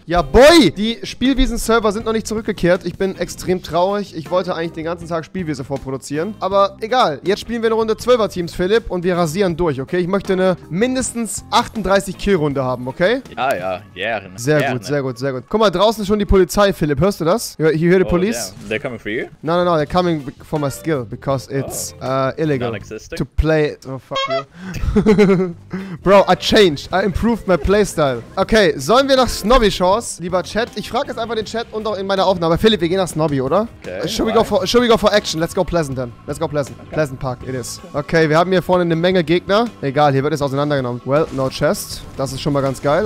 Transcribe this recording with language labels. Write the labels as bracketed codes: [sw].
[de] Ja, boy. Die Spielwiesen-Server sind noch nicht zurückgekehrt. Ich bin extrem traurig. Ich wollte eigentlich den ganzen Tag Spielwiese vorproduzieren. Aber egal. Jetzt spielen wir eine Runde 12er Teams, Philipp. Und wir rasieren durch, okay? Ich möchte eine mindestens 38 Kill-Runde haben, okay? Ja, ja. Gerne. Sehr gut, sehr gut, sehr gut. Guck mal, draußen ist schon die Polizei, Philipp. Hörst du das? [en] You hear the police? Yeah. They're coming for you? No. They're coming for my skill, because it's illegal to play it. Oh, fuck you. Bro, I changed. I improved my playstyle. [de] Okay, sollen wir nach Snobby Shores, lieber Chat? Ich frage jetzt einfach den Chat und auch in meiner Aufnahme. Philipp, wir gehen nach Snobby, oder? Okay. [en] Should we go for action? Let's go Pleasant then. Let's go Pleasant. Okay. Pleasant Park, it is. [de] Okay, wir haben hier vorne eine Menge Gegner. Egal, hier wird es auseinandergenommen. [en] Well, no chest. [de] Das ist schon mal ganz geil.